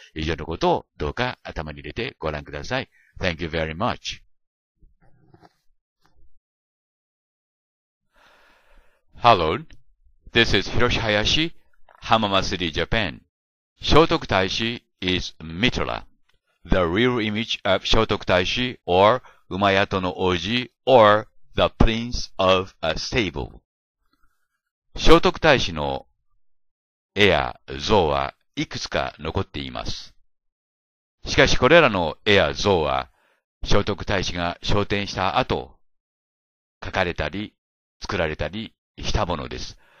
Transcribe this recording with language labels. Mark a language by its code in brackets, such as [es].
[ja] 以上のことをどうか頭に入れてご覧ください。 [en] Thank you very much. Hello. This is Hiroshi Hayashi, Hamama City, Japan. 聖徳太子 is Mitra. The real image of 聖徳太子 or 馬宿の王子 or the prince of a stable. [ja] 聖徳太子の絵や像はいくつか残っています。しかしこれらの絵や像は聖徳太子が昇天した後、描かれたり作られたりしたものです。